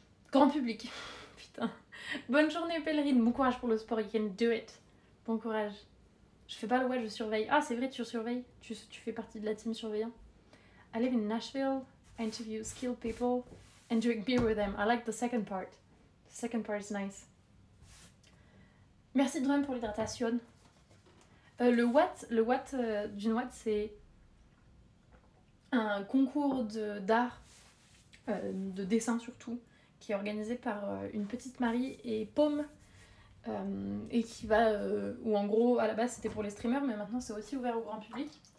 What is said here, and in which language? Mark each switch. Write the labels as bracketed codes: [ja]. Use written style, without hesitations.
[fr] Grand public. Putain. Bonne journée, pèlerine. Bon courage pour le sport. [en] You can do it. [fr] Bon courage. Je fais pas le web, je surveille. Ah, c'est vrai, tu surveilles. Tu fais partie de la team surveillant. [en] I live in Nashville. I interview skilled people and drink beer with them. I like the second part. The second part is nice. [fr] Merci, Drum, pour l'hydratation. Le watt d'une watt, c'est un concours d'art, de dessin surtout, qui est organisé par une petite Marie et Paume, et qui va, où en gros, à la base, c'était pour les streamers, mais maintenant, c'est aussi ouvert au grand public.